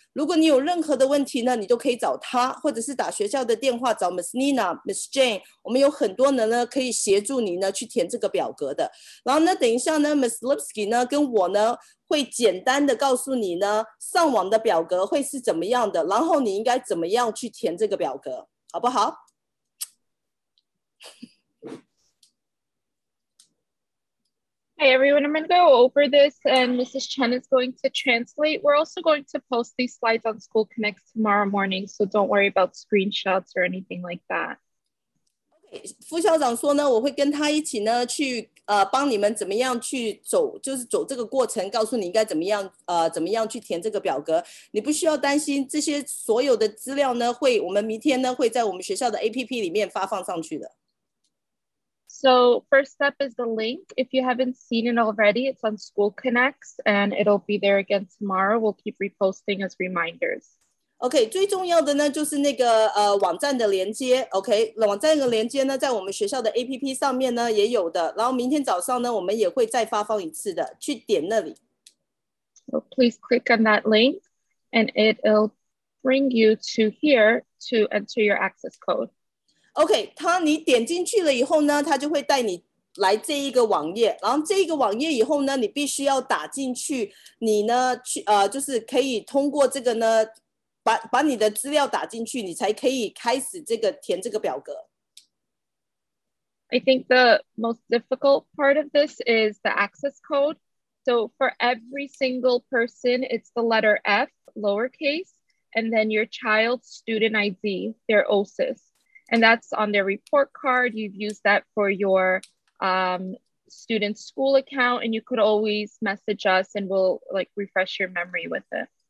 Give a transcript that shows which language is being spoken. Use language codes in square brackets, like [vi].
[zh] 如果你有任何的问题呢，你都可以找他，或者是打学校的电话找 Miss Nina、 Miss Jane， 我们有很多人呢可以协助你呢去填这个表格的。然后呢等一下呢 Miss Lipsky 呢跟我呢会简单的告诉你呢上网的表格会是怎么样的，然后你应该怎么样去填这个表格，好不好？ [en] Hi everyone, I'm going to go over this and Mrs. Chen is going to translate. We're also going to post these slides on School Connect tomorrow morning, so don't worry about screenshots or anything like that. [zh] Okay, 副校长说呢，我会跟他一起呢去帮你们怎么样去走，就是走这个过程，告诉你应该怎么样去填这个表格。你不需要担心，这些所有的资料呢，会我们明天呢会在我们学校的 APP 里面发放上去的。 [en] So first step is the link. If you haven't seen it already, it's on School Connects and it'll be there again tomorrow. We'll keep reposting as reminders. [zh] OK, 最重要的呢就是那个网站的连接。 OK, 网站的连接呢在我们学校的 APP 上面呢也有的。然后明天早上呢我们也会再发放一次的，去点那里。 [en] So please click on that link and it'll bring you to here to enter your access code. [zh] Okay, 你点进去了以后呢, 它就会带你来这一个网页, 然后这一个网页以后呢, 你必须要打进去你呢, 去, 就是可以通过这个呢, 把你的资料打进去, 你才可以开始填这个表格。 [en] I think the most difficult part of this is the access code. So for every single person, it's the letter F, lowercase, and then your child's student ID, their OSIS. And that's on their report card. You've used that for your student school account, and you could always message us and we'll like refresh your memory with it.